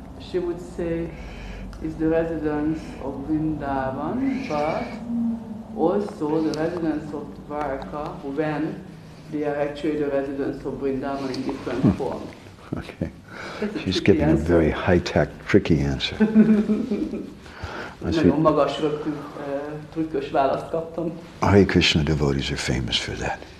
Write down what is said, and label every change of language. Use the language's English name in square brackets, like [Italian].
[English] She would say, is the residents of Vrindavan, but also the residents of Dwarka, when they are actually the residents of Vrindavan in different form. Okay. She's giving answer. A very high-tech, tricky answer. [Hungarian] Nagyon magas, trükkös választ kaptam. [English] Hare Krishna devotees are famous for that.